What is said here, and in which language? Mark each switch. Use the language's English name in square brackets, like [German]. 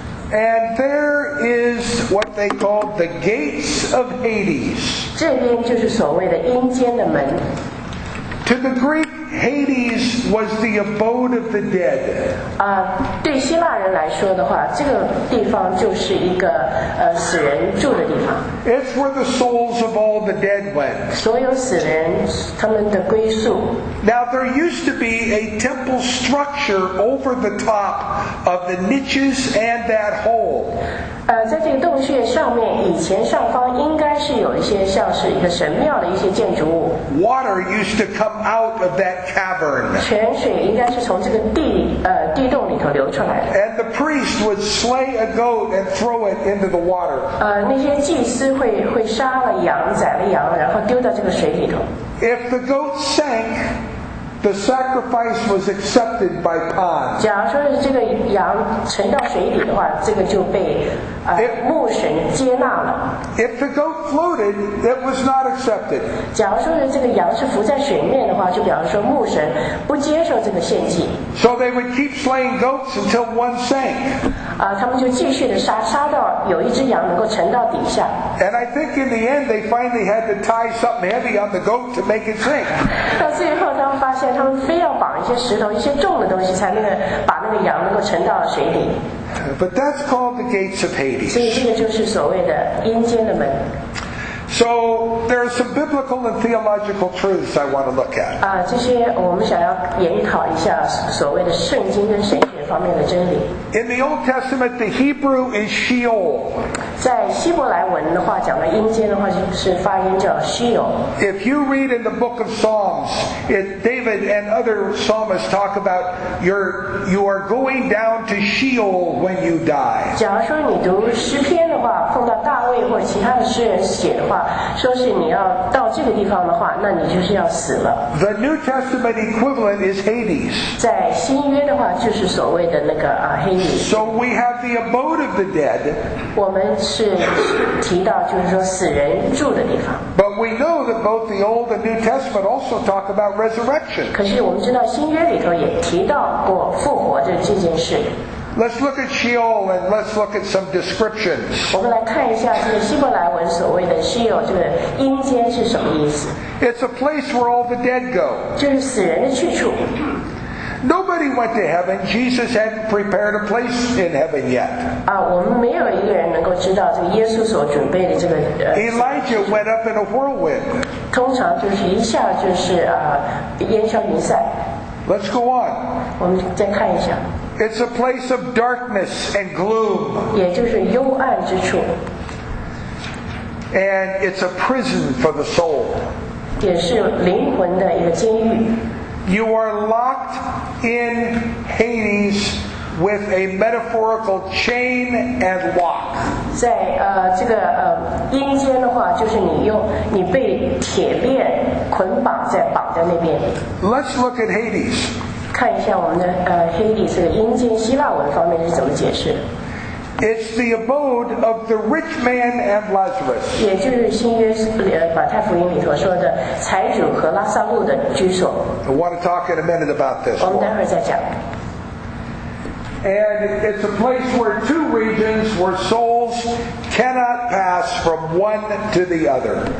[English] And there is what they call the gates of Hades. To the Greek, Hades was the abode of the dead. [Chinese] 对希腊人来说的话，这个地方就是一个死人住的地方。 [English] It's where the souls of all the dead went. [Chinese] 所有死人他们的归宿。 [English] Now there used to be a temple structure over the top of the niches and that hole. [Chinese] 在这个洞穴上面，以前上方应该是有一些像是一个神庙的一些建筑物。 [English] Water used to come out of that cavern. [Chinese] 泉水应该是从这个地洞里头流出来的。 [English] And the priest would slay a goat and throw it into the water. [Chinese] 那些祭司会杀了羊，宰了羊，然后丢到这个水里头。 [English] If the goat sank. The sacrifice was accepted by pond. [Chinese] 假如说这个羊沉到水底的话，这个就被牧神接纳了。 [English] If the goat floated, it was not accepted. [Chinese] 假如说这个羊是浮在水面的话，就比方说牧神不接受这个献祭。 [English] So they would keep slaying goats until one sank. [Chinese] 他们就继续的杀到有一只羊能够沉到底下。 [English] And I think in the end they finally had to tie something heavy on the goat to make it sink. [Chinese] 到最后他们发现他们非要绑一些石头，一些重的东西，才把那个羊能够沉到水里。 [English] But that's called the gates of Hades. [Chinese] 所以这个就是所谓的阴间的门。 [English] So there are some biblical and theological truths I want to look at. [Chinese] 这些我们想要研讨一下所谓的圣经跟神学方面的真理。 [English] In the Old Testament, the Hebrew is Sheol. [Chinese] 在希伯来文的话，讲的阴间的话是发音叫 Sheol. [English] If you read in the Book of Psalms, David and other psalmists talk about you are going down to Sheol when you die. [Chinese] 假如说你读诗篇的话，碰到大卫或其他的诗人写的。说是你要到这个地方的话，那你就是要死了。 [English] The New Testament equivalent is Hades. [Chinese] 在新约的话，就是所谓的那个Hades. [English] So we have the abode of the dead. [Chinese] 我们是提到就是说死人住的地方。 [English] But we know that both the Old and New Testament also talk about resurrection. [Chinese] 可是我们知道新约里头也提到过复活的这件事。 [English] Let's look at Sheol and let's look at some descriptions. [Chinese] 我们来看一下这个希伯来文所谓的 Sheol 这个阴间是什么意思。 [English] It's a place where all the dead go. [Chinese] 就是死人的去处。 [English] Nobody went to heaven. Jesus hadn't prepared a place in heaven yet. [Chinese] 我们没有一个人能够知道这个耶稣所准备的这个。 [English] Elijah went up in a whirlwind. [Chinese] 通常就是一下就是烟消云散。 [English] Let's go on. [Chinese] 我们再看一下。 [English] It's a place of darkness and gloom. [Chinese] 也就是幽暗之处。 [English] And it's a prison for the soul. [Chinese] 也是灵魂的一个监狱。 [English] You are locked in Hades with a metaphorical chain and lock. [Chinese] 在这个阴间的话，就是你被铁链捆绑在绑在那边。 [English] Let's look at Hades. [Chinese] 看一下我们的Hades 这个阴间希腊文方面是怎么解释的。 [English] It's the abode of the rich man and Lazarus. [Chinese] 也就是新约马太福音里头说的财主和拉撒路的居所。 [English] I want to talk in a minute about this. [Chinese] 我们待会儿再讲。 [English] And it's a place where two regions where souls cannot pass from one to the other.